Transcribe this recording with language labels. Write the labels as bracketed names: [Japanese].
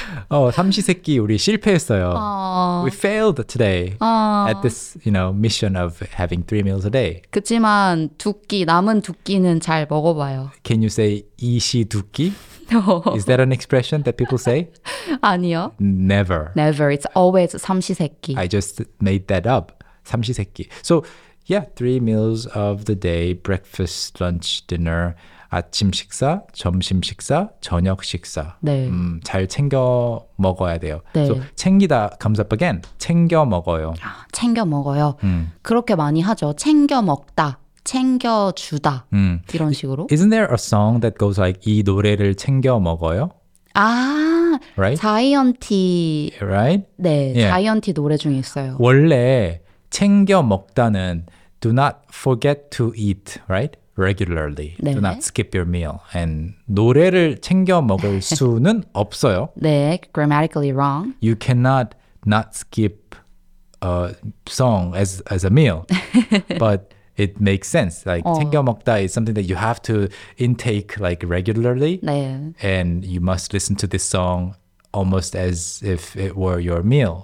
[Korean] 삼시세끼 우리 실패했어요. [English] We failed today at this, you know, mission of having three meals a day. [Korean] 그치만 두 끼, 남은 두 끼는 잘 먹어봐요. [English] Can you say 이시 두 끼? Is that an expression that people say? [Korean] 아니요. [English] Never. Never. It's always 삼시세끼. I just made that up. 삼시세끼. So, yeah, three meals of the day, breakfast, lunch, dinner, [Korean] 아침 식사, 점심 식사, 저녁 식사. 네. 잘 챙겨 먹어야 돼요. 네. [English] So, 챙기다 comes up again. [Korean] 챙겨 먹어요. 아, 챙겨 먹어요. 그렇게 많이 하죠. 챙겨 먹다, 챙겨 주다. 이런 식으로. [English] Isn't there a song that goes like [Korean] 이 노래를 챙겨 먹어요? 아, [English] right? [Korean] 자이언티. [English] Right? [Korean] 네, yeah. 자이언티 노래 중에 있어요. 원래 챙겨 먹다는 [English] do not forget to eat, right? Regularly, [Korean] 네. [English] do not skip your meal. [Korean] And 노래를 챙겨 먹을 수는 없어요. [English] 네, grammatically wrong. You cannot not skip a song as a meal. But it makes sense. Like 챙겨 먹다 is something that you have to intake like regularly. [Korean] 네. [English] And you must listen to this song almost as if it were your meal.